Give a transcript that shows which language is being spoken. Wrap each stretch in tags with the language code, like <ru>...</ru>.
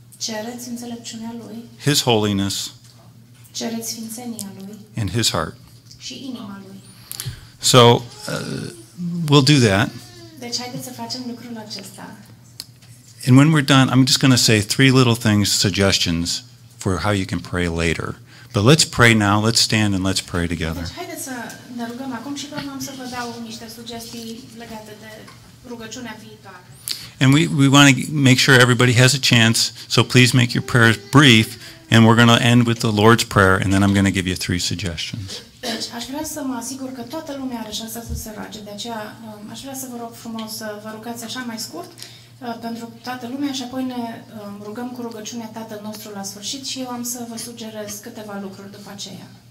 <ro>Cereți înțelepciunea lui.</ro> <en>His holiness.</en> <ro>Cereți sfințenia lui.</ro> <en>And his heart.</en> <ro>Și inima lui.</ro> <en>So, we'll do that.</en> <ro>Deci haideți să facem lucrul acesta.</ro> <en>And when we're done, I'm just going to say three little things, suggestions for how you can pray later. But let's pray now, let's stand and let's pray together.</en> <ro>Deci haideți să ne rugăm acum și vreau să vă dau niște sugestii legate de rugăciunea viitoare.</ro> <en>And we want to make sure everybody has a chance, so please make your prayers brief, and we're going to end with the Lord's Prayer, and then I'm going to give you three suggestions.</en> <ro>Deci, aș vrea să mă asigur că toată lumea are șansa să se roage, de aceea aș vrea să vă rog frumos să vă rugați așa mai scurt pentru toată lumea și apoi ne rugăm cu rugăciunea Tatăl nostru la sfârșit și eu am să vă sugerez câteva lucruri după aceea.</ro>